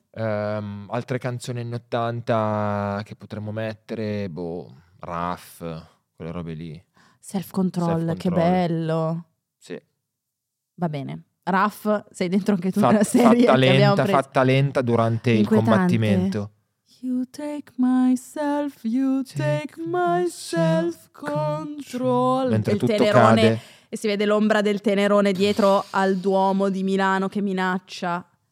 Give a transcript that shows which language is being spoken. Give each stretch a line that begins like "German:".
Italian: Altre canzoni anni 80 che potremmo mettere, boh, Raff, quelle robe lì. Self Control, che bello. Sì. Va bene. Raff, sei dentro anche tu nella serie. Fatta lenta, preso. Fatta lenta durante il combattimento.
English: You take myself, you take myself control.
Italian: Mentre il tutto Tenerone cade. E si vede l'ombra del Tenerone dietro al Duomo di Milano che minaccia.